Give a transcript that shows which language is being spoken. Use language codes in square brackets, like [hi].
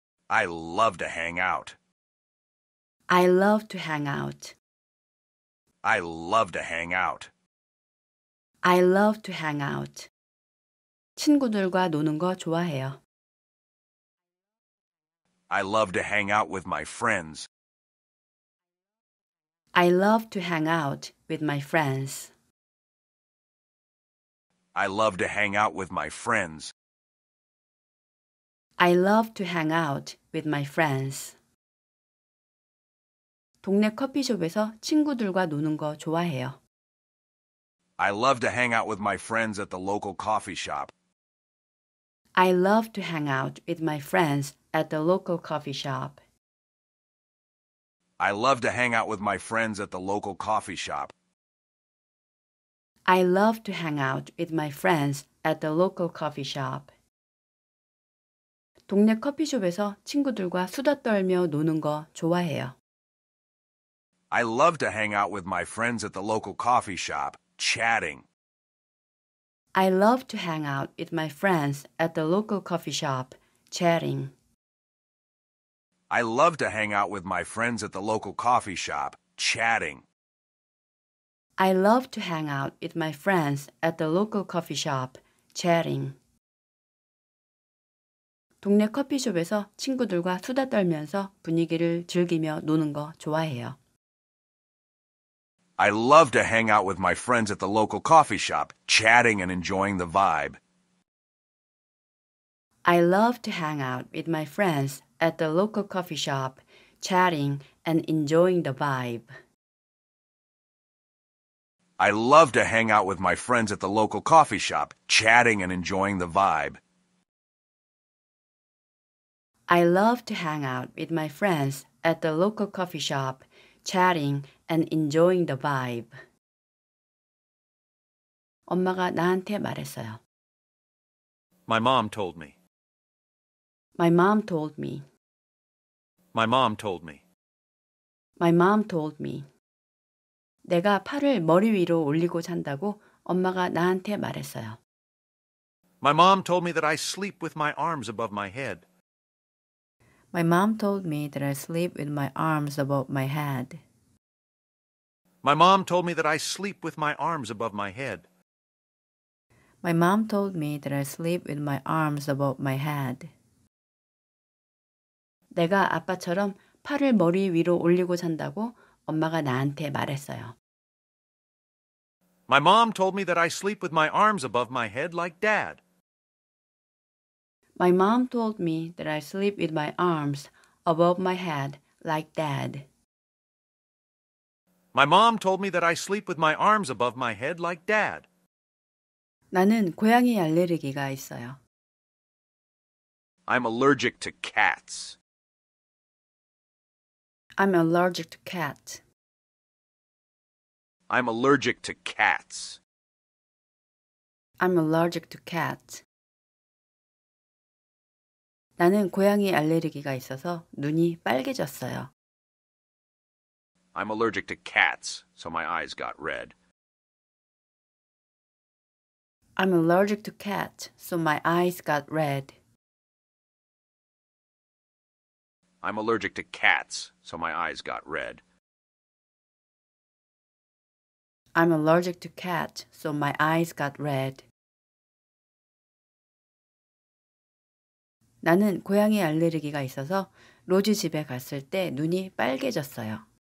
[en] I love to hang out. I love to hang out. I love to hang out. I love to hang out. [ko] 친구들과 노는 거 좋아해요. [en] I love to hang out with my friends. I love to hang out with my friends. I love to hang out with my friends. I love to hang out with my friends. [ko] 동네 커피숍에서 친구들과 노는 거 좋아해요. [en] I love to hang out with my friends at the local coffee shop. I love to hang out with my friends at the local coffee shop. I love to hang out with my friends at the local coffee shop. I love to hang out with my friends at the local coffee shop. [ko] 동네 커피숍에서 친구들과 수다 떨며 노는 거 좋아해요. [en] I love to hang out with my friends at the local coffee shop, chatting. I love to hang out with my friends at the local coffee shop, chatting. I love to hang out with my friends at the local coffee shop, chatting. I love to hang out with my friends at the local coffee shop, chatting. [ko] 동네 커피숍에서 친구들과 수다 떨면서 분위기를 즐기며 노는 거 좋아해요. [en] I love to hang out with my friends at the local coffee shop, chatting and enjoying the vibe. I love to hang out with my friends at the local coffee shop, chatting and enjoying the vibe. I love to hang out with my friends at the local coffee shop, chatting and enjoying the vibe. I love to hang out with my friends at the local coffee shop, chatting and enjoying the vibe. [ko] 엄마가 나한테 말했어요. [en] My mom told me. My mom told me. My mom told me. My mom told me. [ko] 내가 팔을 머리 위로 올리고 잔다고 엄마가 나한테 말했어요. [en] My mom told me that I sleep with my arms above my head. My mom told me that I sleep with my arms above my head. My mom told me that I sleep with my arms above my head. My mom told me that I sleep with my arms above my head. [ko] 내가 아빠처럼 팔을 머리 위로 올리고 잔다고 엄마가 나한테 말했어요. [en] My mom told me that I sleep with my arms above my head like dad. My mom told me that I sleep with my arms above my head like dad. My mom told me that I sleep with my arms above my head like dad. [ko] 나는 고양이 알레르기가 있어요. [en] I'm allergic to cats. I'm allergic to cats. I'm allergic to cats. I'm allergic to cats. [ko] 나는 고양이 알레르기가 있어서 눈이 빨개졌어요. [en] I'm allergic to cats, so my eyes got red. I'm allergic to cats, so my eyes got red. I'm allergic to cats, so my eyes got red. I'm allergic to cats, so my eyes got red. [ko] 나는 고양이 알레르기가 있어서 로지 집에 갔을 때 눈이 빨개졌어요.